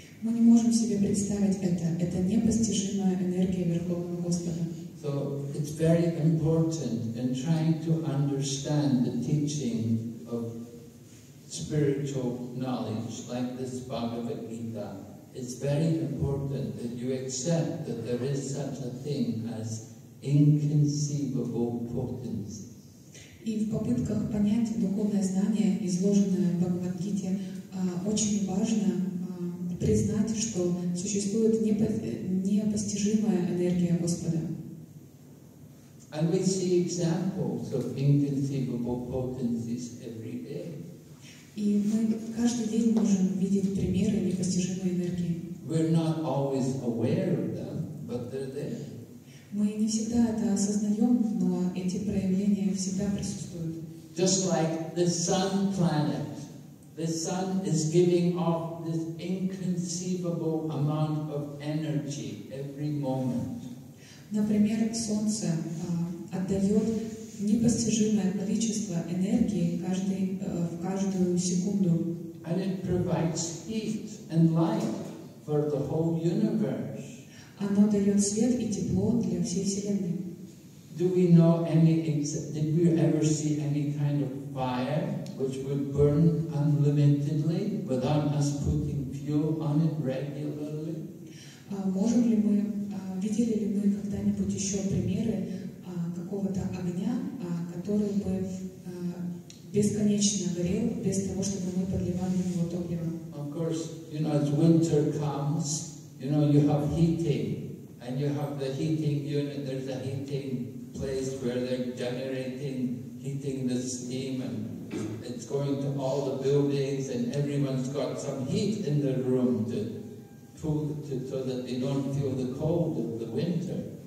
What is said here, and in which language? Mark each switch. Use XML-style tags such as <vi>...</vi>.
<ru>Мы не можем себе представить это. Это непостижимая энергия Верховного Господа.</ru> <en>So it's very important in trying to understand the teaching of spiritual knowledge like this Bhagavad Gita. It's very important that you accept that there is such a thing as inconceivable potency.</en> <ru>И в попытках понять духовное знание, изложенное в Бхагавад-гите, очень важно признать, что существует непостижимая энергия Господа.</ru> <en>And we see examples of inconceivable potencies every day.</en> <ru>И мы каждый день можем видеть примеры непостижимой энергии.</ru> <en>We're not always aware of them, but they're there.</en> <ru>Мы не всегда это осознаем, но эти проявления всегда присутствуют.</ru> <en>Just like the sun planet, the sun is giving off this inconceivable amount of energy every moment.</en> <ru>Например, солнце отдает непостижимое количество энергии в каждую секунду.</ru> <en>And it provides heat and light for the whole universe.</en> <ru>Оно дает свет и тепло для всей Вселенной.</ru> <en>Do we know any? Did we ever see any kind of fire which would burn unlimitedly without us putting fuel on it regularly?</en> <ru>Можем ли мы видели ли мы когда-нибудь еще примеры какого-то огня, который бы бесконечно горел без того, чтобы мы подливали его топливо?</ru> <en>Of course, you know, as winter comes. You know, you have heating, and you have the heating unit, there's a heating place where they're generating, heating the steam, and it's going to all the buildings, and everyone's got some heat in their room to so that they don't feel the cold of the winter.</en>